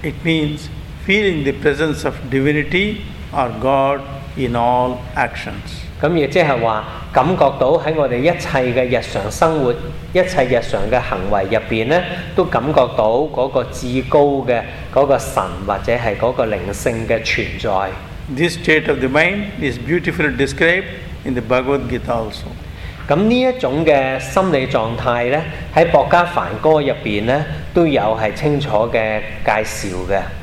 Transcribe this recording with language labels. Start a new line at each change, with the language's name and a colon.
English: It means feeling the presence of divinity or God in all actions。
Chinese: 咁亦即係話，感覺到在我們一切的日常生活、一切日常的行為裡面，都感覺到那個至高的那個神，或者是那個靈性的存在。
English: This state of the mind is beautifully described in the Bhagavad Gita also。
Chinese: 那這種的心理狀態呢，在《薄伽梵歌》裡面都有是清楚的介紹的。